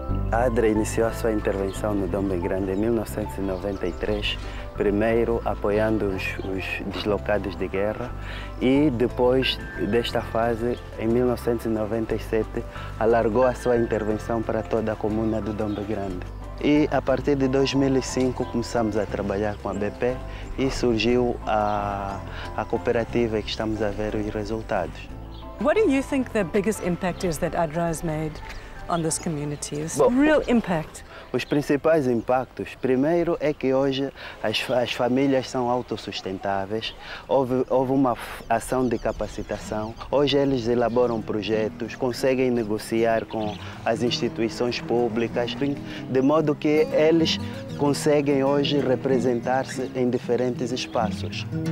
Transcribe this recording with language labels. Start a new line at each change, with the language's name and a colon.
Portuguese: A ADRE iniciou a sua intervenção no Ndombe Grande em 1993, primeiro apoiando os deslocados de guerra e depois desta fase, em 1997, alargou a sua intervenção para toda a comuna do Ndombe Grande. E a partir de 2005 começamos a trabalhar com a BP e surgiu a cooperativa que estamos a ver os resultados.
English: What do you think the biggest impact is that ADRE has made on this community? It's a real impact.
Portuguese: Os principais impactos, primeiro, é que hoje as famílias são autossustentáveis. Houve uma ação de capacitação. Hoje eles elaboram projetos, conseguem negociar com as instituições públicas, de modo que eles conseguem hoje representar-se em diferentes espaços.